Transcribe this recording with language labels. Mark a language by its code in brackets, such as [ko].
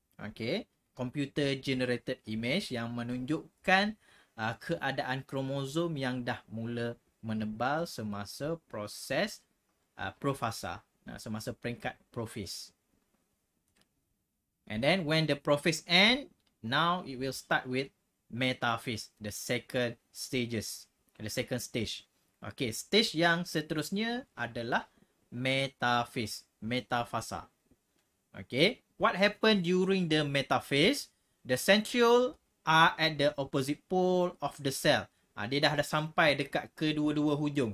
[ms] Okay, [en] computer generated image [ms] yang menunjukkan keadaan kromosom yang dah mula menebal semasa proses profasa, semasa peringkat prophase. [en] And then when the prophase end, now it will start with metaphase, the second stages, the second stage. [ms] Okay, stage yang seterusnya adalah metaphase, metafasa. [en] Okay, what happened during the metaphase? The centriole are at the opposite pole of the cell. [ms] Dia dah ada sampai dekat kedua-dua hujung.